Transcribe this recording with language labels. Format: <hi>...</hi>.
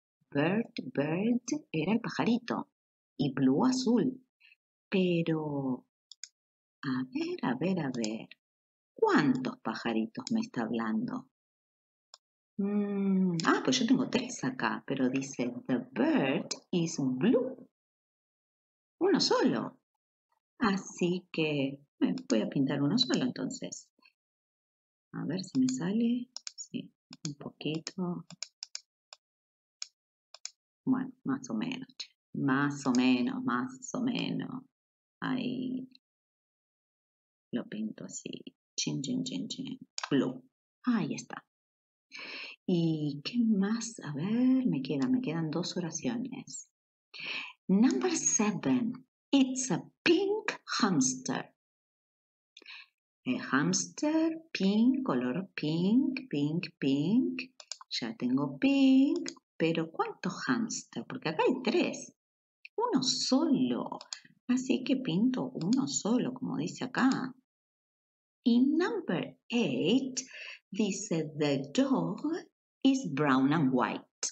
<es>Bird, bird era el pajarito. Y blue, azul. Pero, a ver, a ver, a ver. ¿Cuántos pajaritos me está hablando? Ah, pues yo tengo tres acá. Pero dice,</es> <en>the bird is blue.</en> <es>Uno solo. Así que, voy a pintar uno solo entonces. A ver si me sale. Sí, un poquito. Bueno, más o menos. Más o menos, más o menos. Ahí lo pinto así. Chin, chin, chin, chin. Blue. Ahí está. ¿Y qué más? A ver, me quedan dos oraciones.</es> <en>Number seven. It's a pink hamster. El hamster, pink, color pink, pink, pink.</en> <es>Ya tengo pink. Pero ¿cuánto hamster? Porque acá hay tres. Uno solo. Así que pinto uno solo, como dice acá.</es> <en>Y number eight dice, the dog is brown and white.</en>